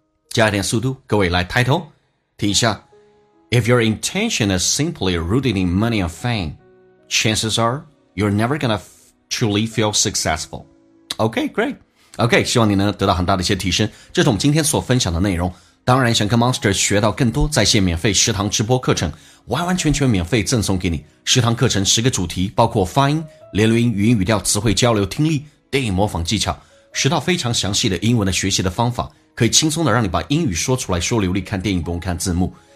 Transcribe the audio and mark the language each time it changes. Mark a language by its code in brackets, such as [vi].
[zh] 加一点速度，各位来抬头听一下。 [en] If your intention is simply rooted in money and fame, chances are you're never gonna truly feel successful. [zh] Okay, great. Okay, 希望你能得到很大的一些提升。这是我们今天所分享的内容。当然想跟 Monster 学到更多在线免费十堂直播课程，完完全全免费赠送给你。十堂课程十个主题，包括发音、连轮音、语音语调、词汇交流、听力、电影模仿技巧，十套非常详细的英文的学习的方法，可以轻松的让你把英语说出来，说流利，看电影不用看字幕。